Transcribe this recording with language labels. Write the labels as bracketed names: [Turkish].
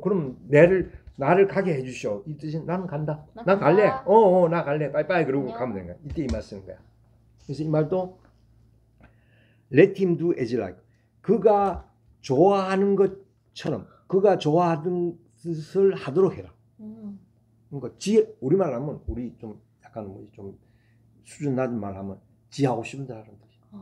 [Korean] 그럼 나를 가게 해 주시오. 이 뜻이 나는 간다. 나 나 갈래. 간다. 나 갈래. 빠이빠이 그러고 안녕. 가면 되는 거야. 이때 이말 쓰는 거야. 그래서 이 말도 [English] let him do as he like. [Korean] 그가 좋아하는 것처럼 그가 좋아하는 뜻을 하도록 해라. 그러니까 우리말 하면 우리 좀 약간 뭐좀 수준 낮은 말 하면 지 하고 싶은 대로 하는 거지.